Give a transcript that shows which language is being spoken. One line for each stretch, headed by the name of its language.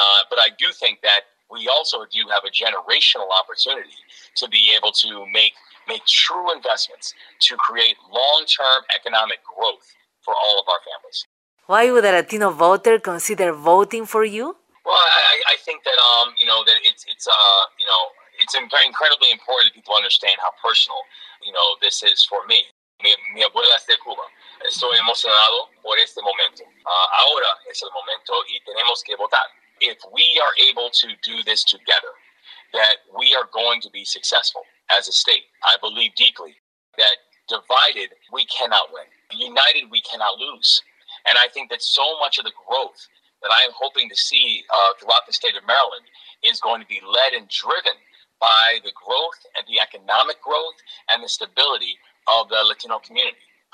English: But I do think that we also do have a generational opportunity to be able to make true investments to create long-term economic growth for all of our families. Why would a Latino voter consider voting for you? Well, I think that it's incredibly important that people understand how personal, you know, this is for me.
Spanish: Mi abuela es de Cuba. Estoy emocionado por este momento. Ahora es el momento y tenemos que votar.
English: If we are able to do this together, that we are going to be successful as a state. I believe deeply that divided, we cannot win. United, we cannot lose. And I think that so much of the growth that I am hoping to see throughout the state of Maryland is going to be led and driven by the growth and the economic growth and the stability of the Latino community.